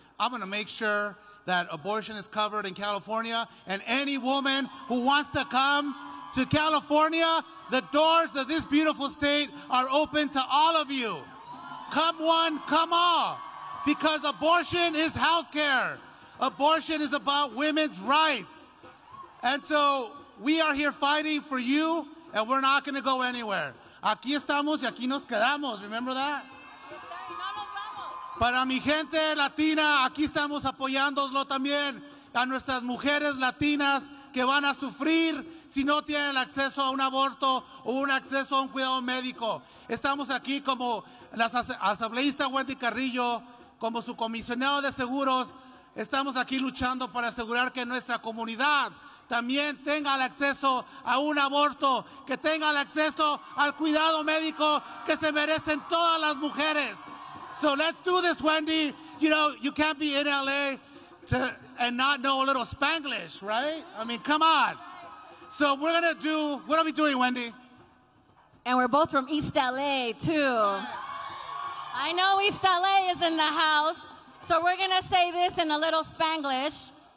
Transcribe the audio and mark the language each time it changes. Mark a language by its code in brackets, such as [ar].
[en] I'm going to make sure that abortion is covered in California, and any woman who wants to come to California, the doors of this beautiful state are open to all of you. Come one, come all, because abortion is healthcare. Abortion is about women's rights. And so we are here fighting for you, and we're not gonna go anywhere. [es] Aquí estamos y aquí nos quedamos, [en] remember that? [es] Para mi gente latina, aquí estamos apoyándolo también a nuestras mujeres latinas que van a sufrir si no tienen acceso a un aborto o un acceso a un cuidado médico. Estamos aquí como la asambleísta Wendy Carrillo como su comisionado de seguros, estamos aquí luchando para asegurar que nuestra comunidad también tenga el acceso a un aborto, que tenga el acceso al cuidado médico que se merecen todas las mujeres. [en] So let's do this, Wendy. You know, you can't be in LA and not know a little Spanglish, right? I mean, come on. So we're gonna do, what are we doing, Wendy? And we're both from East LA, too. I know East LA is in the house, so we're gonna say this in a little Spanglish.